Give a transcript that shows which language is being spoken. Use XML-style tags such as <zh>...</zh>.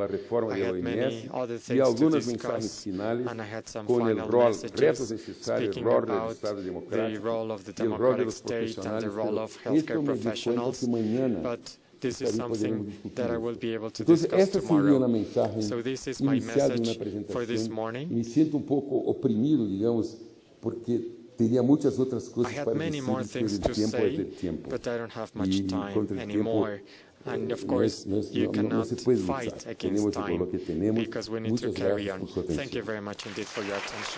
<en>I had many other things to discuss, and I had some final messages speaking about the role of the democratic state and the role of healthcare professionals. But this is something that I will be able to discuss tomorrow. So this is my message for this morning.</en> <es>Me siento un poco oprimido, digamos, porque tenía muchas otras cosas para decir, pero el tiempo es el tiempo.</es> <en>But I don't have much time anymore. And of course, you cannot fight against time because we need to carry on. Thank you very much indeed for your attention.</en>